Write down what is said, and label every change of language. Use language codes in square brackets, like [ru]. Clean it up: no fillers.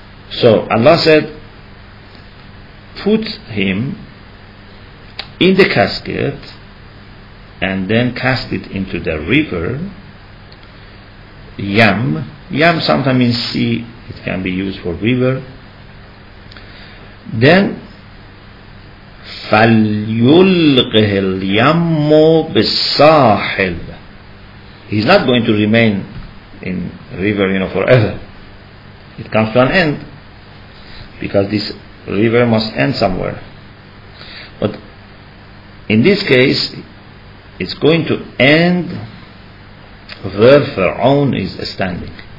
[en] So Allah said, put him in the casket and then cast it into the river. Yam sometimes means sea, it can be used for river. [ar] Then فَلْيُلْقِهِ الْيَمُّ بِالسَّاحِلِ. [en] He's not going to remain in river, you know, forever. It comes to an end. Because this river must end somewhere. But in this case, it's going to end where Fir'aun is standing.